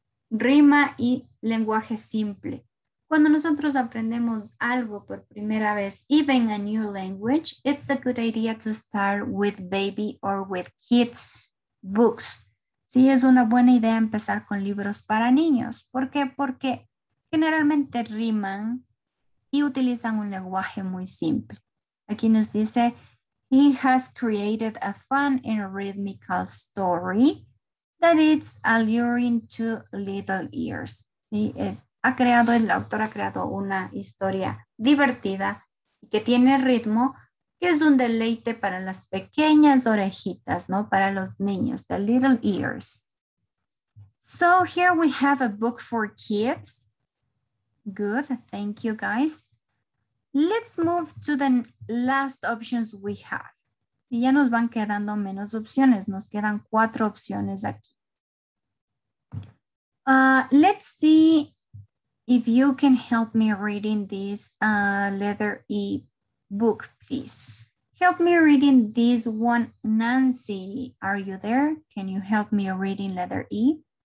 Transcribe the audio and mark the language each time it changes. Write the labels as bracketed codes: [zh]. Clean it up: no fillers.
[es] Rima y lenguaje simple. Cuando nosotros aprendemos algo por primera vez, [en] even a new language, it's a good idea to start with baby or with kids books. [es] Sí, es una buena idea empezar con libros para niños. ¿Por qué? Porque generalmente riman y utilizan un lenguaje muy simple. Aquí nos dice, [en] he has created a fun and rhythmical story that is alluring to little ears. [es] Sí, es. El autor ha creado una historia divertida y que tiene ritmo, que es un deleite para las pequeñas orejitas, ¿no? Para los niños, [en] the little ears. So here we have a book for kids. Good, thank you guys. Let's move to the last options we have. [es] Si ya nos van quedando menos opciones, nos quedan 4 opciones aquí. [en] Let's see. If you can help me reading this letter E book, please. Help me reading this one, Nancy. Are you there? Can you help me reading letter E?